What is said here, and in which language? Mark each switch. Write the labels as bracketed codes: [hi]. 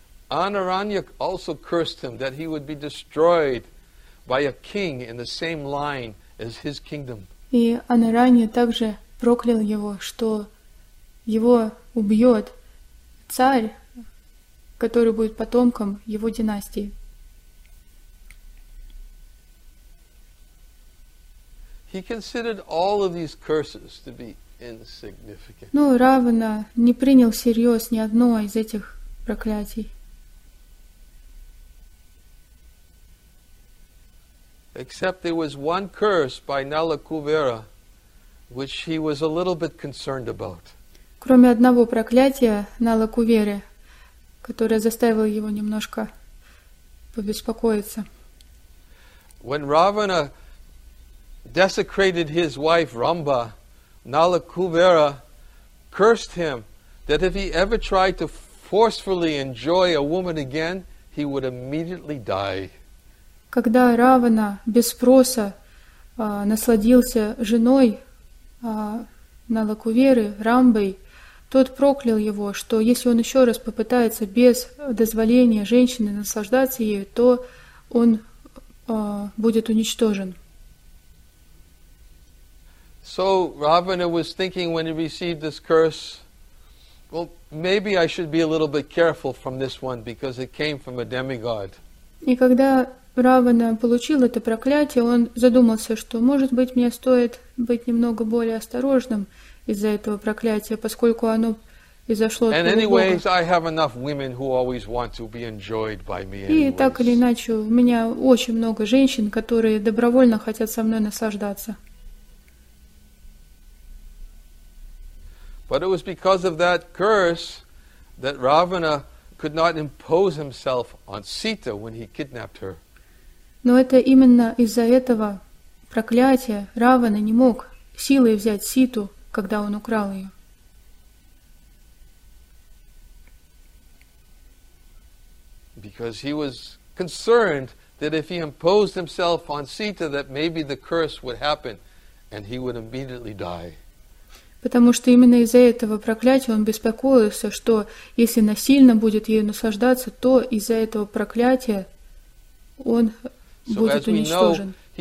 [en] Anaranya also cursed him that he would be destroyed by a king in the same line as his kingdom. [ru] И Анаранья также проклял его, что его убьет царь, который будет потомком его династии. [en] He considered all of these curses to be insignificant. [ru] Но Равана не принял всерьез ни одно из этих проклятий. [en] Except there was one curse by Nalakuvara, which he was a little bit concerned about. [ru] Кроме одного проклятия Налакуверы, которое заставило его немножко побеспокоиться. [en] When Ravana desecrated his wife Ramba, Nalakuvara cursed him that if he ever tried to forcefully enjoy a woman again, he would immediately die. [ru] Когда Равана без спроса насладился женой Налакуверы, Рамбой, тот проклял его, что если он еще раз попытается без дозволения женщины наслаждаться ею, то он будет уничтожен. [en] So Ravana was thinking when he received this curse, well, maybe I should be a little bit careful from this one because it came from a demigod. [ru] И когда Равана получил это проклятие, он задумался, что, может быть, мне стоит быть немного более осторожным из-за этого проклятия, поскольку оно изошло от Бога. И так или иначе, у меня очень много женщин, которые добровольно хотят со мной наслаждаться. [en] But it was because of that curse that Ravana could not impose himself on Sita when he kidnapped her. [ru] Но это именно из-за этого проклятия Равана не мог силой взять Ситу, когда он украл ее. [en] Because he was concerned that if he imposed himself on Sita, that maybe the curse would happen and he would immediately die. [ru] Потому что именно из-за этого проклятия он беспокоился, что если насильно будет ею наслаждаться, то из-за этого проклятия он будет уничтожен.